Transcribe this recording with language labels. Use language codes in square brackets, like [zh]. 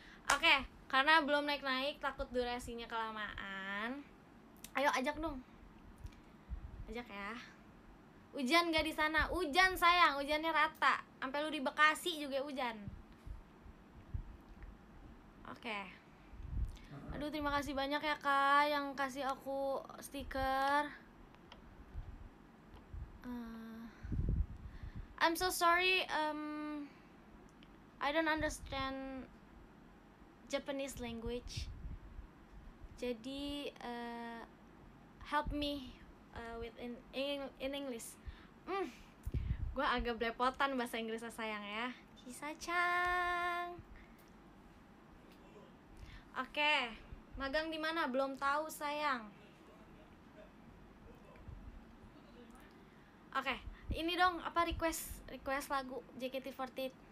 [id] Oke, karena belum naik-naik, takut durasinya kelamaan. Ayo ajak dong. Ajak ya. Hujan gak di sana? Hujan sayang, hujannya rata. Sampai lu di Bekasi juga hujan. Oke. Aduh, terima kasih banyak ya Kak yang kasih aku stiker. [en] I'm so sorry, I don't understand Japanese language. [id] Jadi [en] help me with in English. [id] Gua agak belepotan bahasa Inggrisnya sayang ya. Hisa-chan. Oke, magang di mana? Belum tahu sayang. Oke. Ini dong, apa request lagu JKT48.